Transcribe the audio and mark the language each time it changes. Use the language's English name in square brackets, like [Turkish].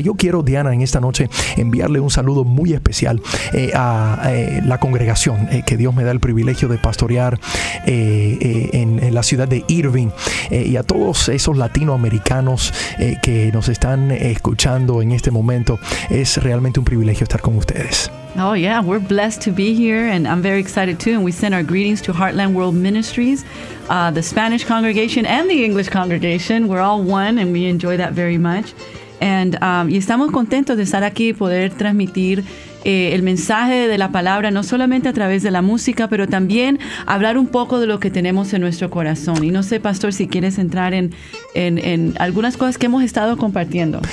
[Spanish] Yo quiero, Diana, en esta noche enviarle un saludo muy especial a la congregación que Dios me da el privilegio de pastorear en la ciudad de Irving, y a todos esos latinoamericanos que nos están escuchando en este momento. Es realmente un privilegio estar con ustedes. [English] Oh yeah, we're blessed to be here, and I'm very excited too. And we send our greetings to Heartland World Ministries, the Spanish congregation and the English congregation. We're all one, and we enjoy that very much. [Spanish] And y estamos contentos de estar aquí y poder transmitir el mensaje de la palabra, no solamente a través de la música, pero también hablar un poco de lo que tenemos en nuestro corazón. Y no sé, pastor, si quieres entrar en algunas cosas que hemos estado compartiendo.